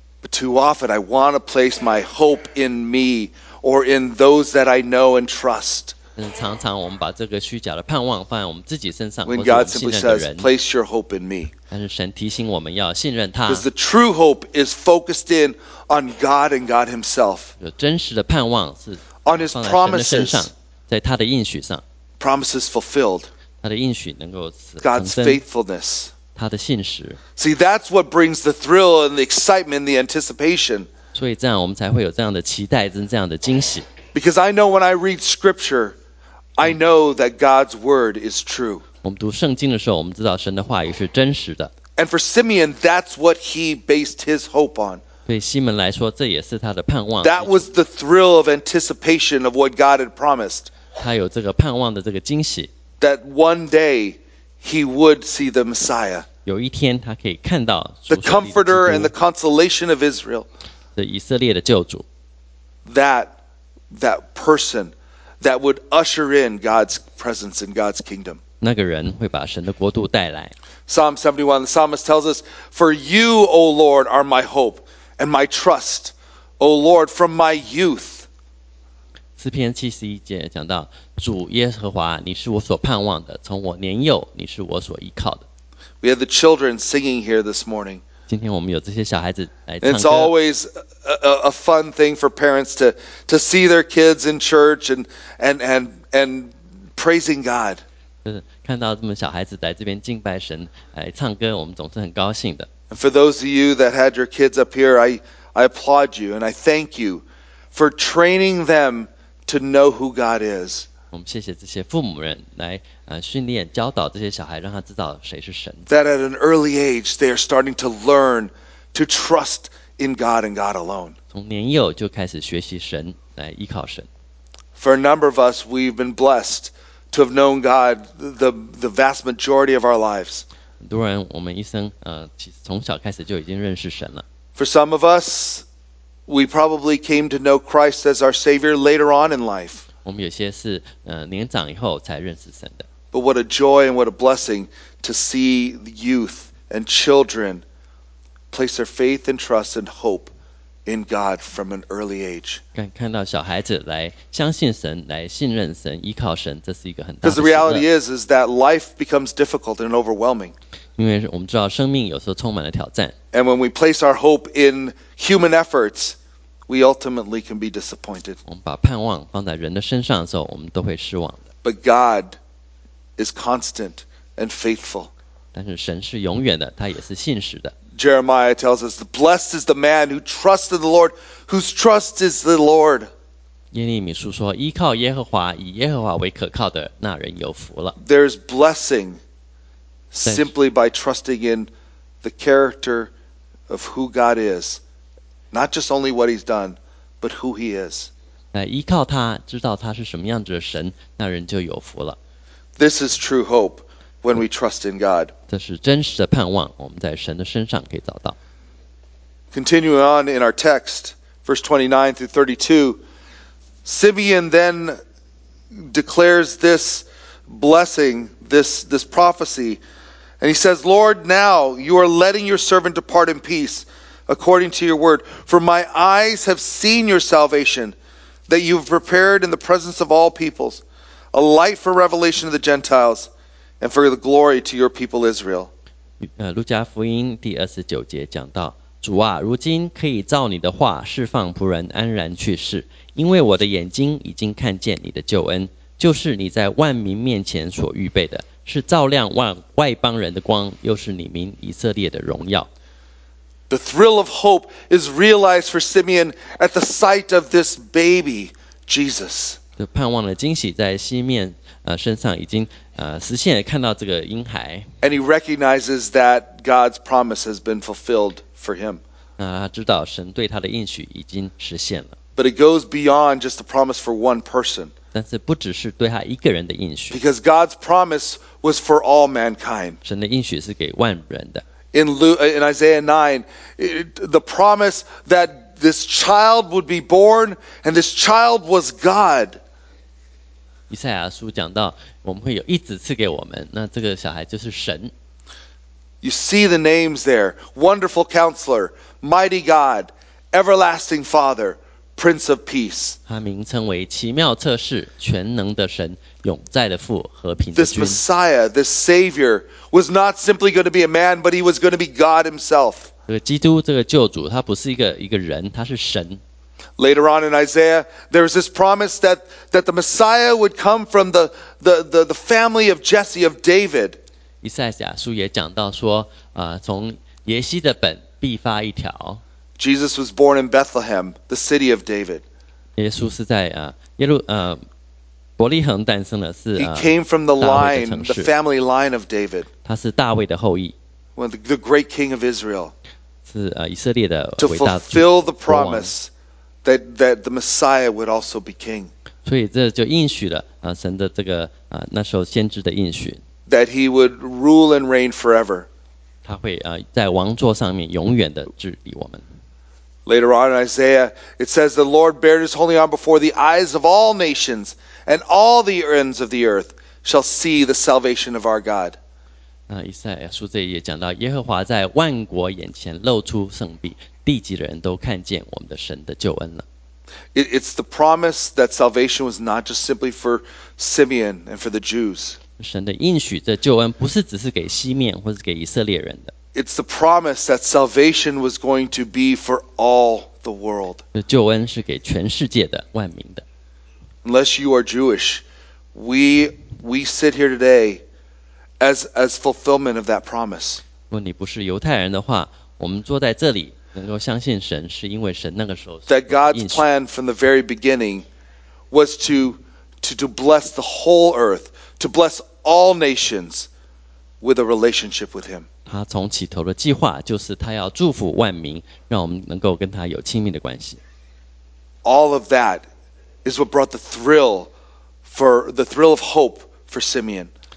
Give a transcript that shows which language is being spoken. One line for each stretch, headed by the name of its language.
English: But too often, I want to place my hope in me or in those that I know and trust.
Chinese: 常常我们把这个虚假的盼望放在我们自己身上，或者我们信任的人。
English: When God simply says, "Place your hope in me,"
Chinese: 但是神提醒我们要信任他。
English: Because the true hope is focused in on God and God Himself.
Chinese: 有真实的盼望是放在神的身上，在他的应许上。
English: Promises fulfilled.
Chinese: 他的应许能够成真。
English: God's faithfulness.
Chinese: 他的信实。
English: See, that's what brings the thrill and the excitement, the anticipation.
Chinese: 所以这样我们才会有这样的期待跟这样的惊喜。
English: Because I know when I read Scripture. I know that God's word is true.
Chinese: 我们读圣经的时候，我们知道神的话语是真实的。
English: And for Simeon, that's what he based his hope on.
Chinese: 对西门来说，这也是他的盼望。
English: That was the thrill of anticipation of what God had promised.
Chinese: 他有这个盼望的这个惊喜。
English: That one day he would see the Messiah.
Chinese: 有一天他可以看到
English: the Comforter and the consolation of Israel.
Chinese: 这以色列的救主。
English: That person. That would usher in God's presence and God's kingdom.
Chinese: 那个人会把神的国度带来。
English: Psalm 71, the psalmist tells us, "For you, O Lord, are my hope and my trust, O Lord, from my youth."
Chinese: 诗篇七十一节讲到，主耶和华，你是我所盼望的，从我年幼，你是我所依靠的。
English: We have the children singing here this morning.
Chinese: 今天我们有这些小孩子来唱歌。
English: And it's always a fun thing for parents to see their kids in church and praising God.
Chinese: 就是看到这么小孩子来这边敬拜神，来唱歌，我们总是很高兴的。
English: And for those of you that had your kids up here, I applaud you and I thank you for training them to know who God is.
Chinese: 我们谢谢这些父母人来训练教导这些小孩，让他知道谁是神。
English: That at an early age they are starting to learn to trust. In God and God alone.
Chinese: 从年幼就开始学习神，来依靠神。
English: For a number of us, we've been blessed to have known God the vast majority of our lives.
Chinese: 很多人我们一生从小开始就已经认识神了。
English: For some of us, we probably came to know Christ as our Savior later on in life.
Chinese: 我们有些是年长以后才认识神的。
English: But what a joy and what a blessing to see the youth and children place their faith and trust and hope in God from an early age.
Chinese: 看到小孩子来相信神，来信任神，依靠神，这是一个很大的喜乐。
English: Because the reality is that life becomes difficult and overwhelming.
Chinese: 因为我们知道生命有时候充满了挑战。
English: And when we place our hope in human efforts, we ultimately can be disappointed.
Chinese: 我们把盼望放在人的身上的时候，我们都会失望的。
English: But God is constant and faithful.
Chinese: 但是神是永远的，他也是信实的。
English: Jeremiah tells us, blessed is the man who trusts in the Lord, whose trust is the Lord.
Chinese: 耶利米书说，依靠耶和华，以耶和华为可靠的，那人有福了。
English: There's blessing simply by trusting in the character of who God is. Not just only what he's done, but who he is.
Chinese: 依靠他，知道他是什么样子的神，那人就有福了。
English: This is true hope. When we trust in God.
Chinese: 这是真实的盼望，我们在神的身上可以找到。
English: Continuing on in our text, verse 29 through 32, Simeon then declares this blessing, this prophecy, and he says, Lord, now you are letting your servant depart in peace, according to your word. For my eyes have seen your salvation, that you have prepared in the presence of all peoples, a light for revelation of the Gentiles,And for the glory to your people Israel.
Chinese: 路加福音第二十九节讲到，主啊，如今可以照你的话释放仆人安然去世，因为我的眼睛已经看见你的救恩，就是你在万民面前所预备的，是照亮外邦人的光，又是你民以色列的荣耀。
English: The thrill of hope is realized for Simeon at the sight of this baby, Jesus.
Chinese: 这盼望的惊喜在西面身上已经实现了，看到这个婴孩。
English: And he recognizes that God's promise has been fulfilled for him.
Chinese: 他知道神对他的应许已经实现了。
English: But it goes beyond just the promise for one person.
Chinese: 但是不只是对他一个人的应许。
English: Because God's promise was for all mankind.
Chinese: 神的应许是给万人的。
English: In Isaiah 9, the promise that this child would be born and this child was God.
Chinese: 以赛亚书讲到，我们会有一子赐给我们，那这个小孩就是神。
English: You see the names there: Wonderful Counselor, Mighty God, Everlasting Father, Prince of Peace.
Chinese: 他名称为奇妙测试、全能的神、永在的父、和平的君。
English: This Messiah, this Savior, was not simply going to be a man, but he was going to be God Himself.
Chinese: 这个基督，这个救主，他不是一个人，他是神。
English: Later on in Isaiah, there is this promise that the Messiah would come from the family of Jesse of David.
Chinese: 以赛亚书也讲到说，从耶西的本必发一条。
English: Jesus was born in Bethlehem, the city of David.
Chinese: 耶稣是在伯利恒诞生的，是。
English: He came from the line, the family line of David.
Chinese: 他是大卫的后裔。
English: Well, the great king of Israel.
Chinese: 是以色列的伟大。
English: To fulfill the promise. That the Messiah would also be king.
Chinese: 所以这就应许了神的这个那时候先知的应许。
English: That he would rule and reign forever.
Chinese: 他会在王座上面永远的治理我们。
English: Later on in Isaiah, it says the Lord bared his holy arm before the eyes of all nations, and all the ends of the earth shall see the salvation of our God.
Chinese: 以赛亚书这里也讲到，耶和华在万国眼前露出圣臂。地极的人都看见我们的神的救恩了。
English: It's the promise that salvation was not just simply for Simeon and for the Jews.
Chinese: 神的应许，这救恩不是只是给西面或是给以色列人的。
English: It's the promise that salvation was going to be for all the world.
Chinese: 这救恩是给全世界的，万民的。
English: Unless you are Jewish, we sit here today as fulfillment of that promise.
Chinese: 如果你不是犹太人的话，我们坐在这里。能够相信神，是因为神那个时候。
English: That God's plan from the very beginning was to bless the whole earth, to bless all nations with a relationship with Him.
Chinese: 他从起头的计划就是他要祝福万民，让我们能够跟他有亲密的关系。
English: All of that is what brought the thrill of hope for Simeon.